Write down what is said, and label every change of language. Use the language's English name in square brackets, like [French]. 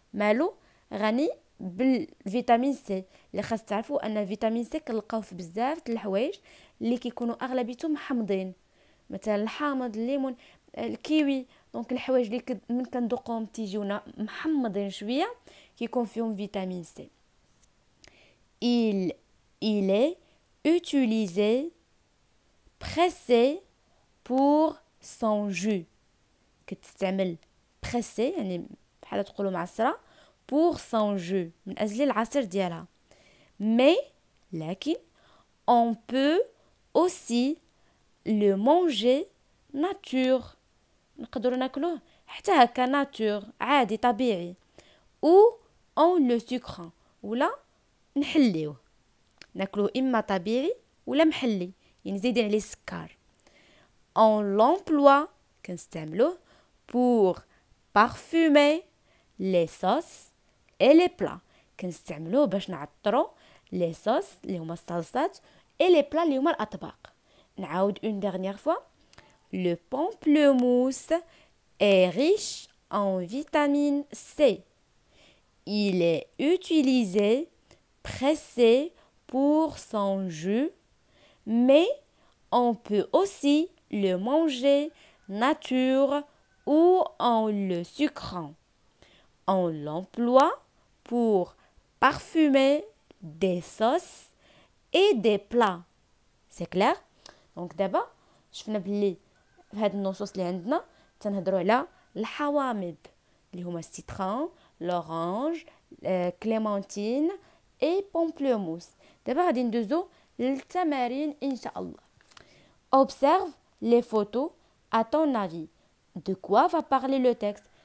[Arabic] مالو غني بالفيتامين سي. اللي خاص تعرفوا ان فيتامين سي كنلقاوه في بزاف د الحوايج اللي كيكونوا اغلبيتهم حامضين مثلا الحامض الليمون الكيوي. دونك الحوايج اللي من كندوقهم تيجيونا محمضين شويه كيكون فيهم فيتامين سي. [French] il est utilisé pressé pour son jus. [Arabic] كتستعمل pressé يعني بحال تقولوا معصره [French] pour son jus [Arabic] من اجل العصير ديالها. [French] mais [Arabic] لكن [French] on peut aussi le manger nature. [Arabic] نقدروا ناكلوه حتى هكا nature عادي طبيعي. [French] ou en le sucrant. [Arabic] ولا نحليوه ناكلوه اما طبيعي ولا محلي ينزيد عليه السكر. [French] on l'emploie [Arabic] كنستعملوه [French] pour parfumer les sauces et les plats. [Arabic] كنستعملوه باش نعطرو [French] les sauces [Arabic] اللي هما الصلصات [French] et les plats [Arabic] اللي هما الاطباق. نعود [French] une dernière fois. Le pamplemousse est riche en vitamine C. Il est utilisé pressé pour son jus, mais on peut aussi le manger nature ou en le sucrant. On l'emploie pour parfumer des sauces et des plats. C'est clair? [Arabic] دونك دابا شفنا بلي فهاد النصوص اللي عندنا تنهضروا على الحوامض اللي هما السيترون لورانج كليمونتين اي بامبلوموس. دابا غادي ندوزو للتمارين ان شاء الله. [French] اوبسيرف لي فوتو ا طون افي دو كوا فا بارلي لو تيكست.